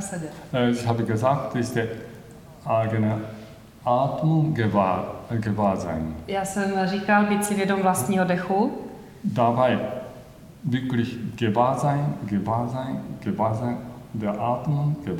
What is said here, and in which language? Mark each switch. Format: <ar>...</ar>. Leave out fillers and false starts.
<cs>seděl.</cs> <de>Ich habe gesagt, ist der eigene Atmung gewahrsein.</de> <cs>Já jsem říkal, být si vědom vlastního dechu.</cs> <de>Dabei wirklich gewahrsein der Atmung.</de>